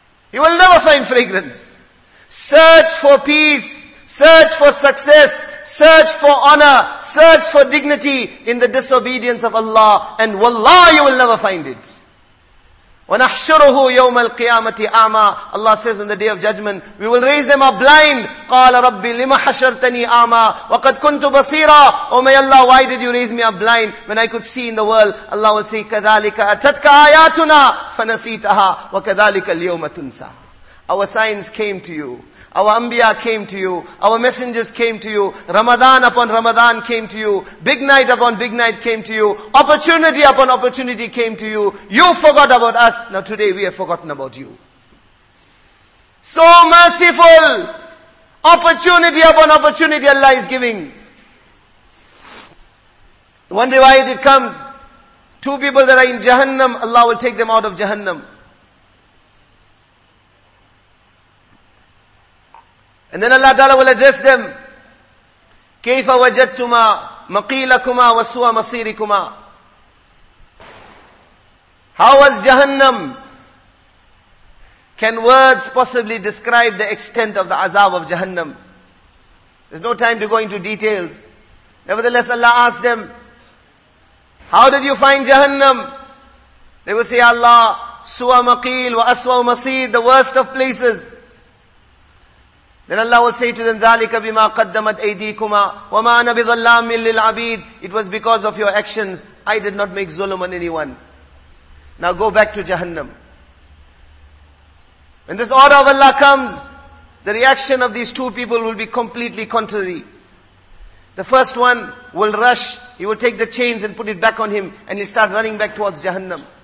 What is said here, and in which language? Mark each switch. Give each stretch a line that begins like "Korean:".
English: He will never find fragrance. Search for peace, search for success, search for honor, search for dignity in the disobedience of Allah, and wallah, you will never find it.
Arabic: وَنَحْشُرُهُ يَوْمَ الْقِيَامَةِ أَعْمَى.
English: Allah says on the Day of Judgment, we will raise them up blind.
Arabic: قَالَ رَبِّ لِمَ حَشَرْتَنِي أَعْمَى وَقَدْ كُنْتُ بَصِيرًا.
English: Oh my Allah, why did you raise me up blind when I could see in the world? Allah will say,
Arabic: كَذَلِكَ أَتَتْكَ آيَاتُنَا فَنَسِيتَهَا وَكَذَلِكَ الْيَوْمَ تُنْسَى.
English: Our signs came to you. Our Anbiya came to you. Our messengers came to you. Ramadan upon Ramadan came to you. Big night upon big night came to you. Opportunity upon opportunity came to you. You forgot about us. Now today we have forgotten about you. So merciful. Opportunity upon opportunity Allah is giving. One riwayat it comes. Two people that are in Jahannam, Allah will take them out of Jahannam. And then Allah Ta'ala will address them.
Arabic: كَيْفَ وَجَدْتُمَا مَقِيلَكُمَا وَسُوَ مَصِيرِكُمَا.
English: How was Jahannam? Can words possibly describe the extent of the azab of Jahannam? There's no time to go into details. Nevertheless, Allah asked them, how did you find Jahannam? They will say, Allah,
Arabic: سُوَ مَقِيل وَأَسْوَ مَصِير,
English: the worst of places. Then Allah will say to them,
Arabic: ذَلِكَ بِمَا قَدَّمَتْ أَيْدِيكُمَا وَمَا أَنَا بِظَلَّامٍ لِلْعَبِيدِ.
English: It was because of your actions. I did not make zulm on anyone. Now go back to Jahannam. When this order of Allah comes, the reaction of these two people will be completely contrary. The first one will rush. He will take the chains and put it back on him and he'll start running back towards Jahannam.